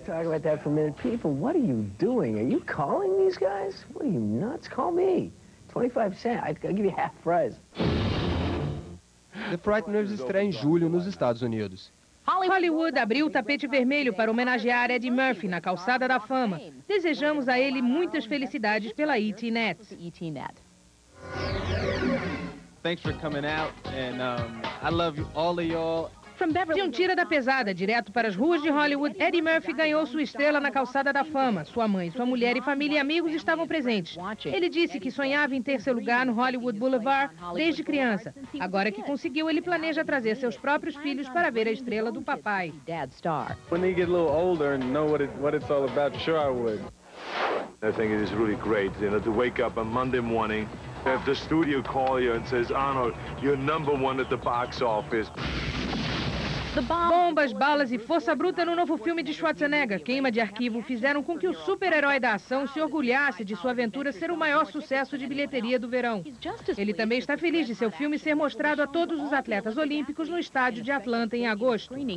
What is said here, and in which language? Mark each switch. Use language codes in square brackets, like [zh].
[en] Talk about that for a minute. People, what are you doing? Are you calling these guys? What are you nuts? Call me. 25 cents. I'll give you half price. [pt] The Frighteners estreia em julho nos Estados Unidos. Hollywood abriu o tapete vermelho para homenagear Eddie Murphy na calçada da fama. Desejamos a ele muitas felicidades pela E.T. Net. [en] Thanks for coming out and I love you all of y'all. [pt] From Beverly, de um tira da pesada direto para as ruas de Hollywood, Eddie Murphy ganhou sua estrela na calçada da fama. Sua mãe, sua mulher e família e amigos estavam presentes. Ele disse que sonhava em ter seu lugar no Hollywood Boulevard desde criança. Agora que conseguiu, ele planeja trazer seus próprios filhos para ver a estrela do papai. [en] When you get a little older and know what it's all about, sure I would. I think it is really great, you know, to wake up on Monday morning, have the studio call you and says, Arnold, you're number one at the box office. [pt] Bombas, balas e força bruta no novo filme de Schwarzenegger, Queima de Arquivo, fizeram com que o super-herói da ação se orgulhasse de sua aventura ser o maior sucesso de bilheteria do verão. Ele também está feliz de seu filme ser mostrado a todos os atletas olímpicos no estádio de Atlanta em agosto.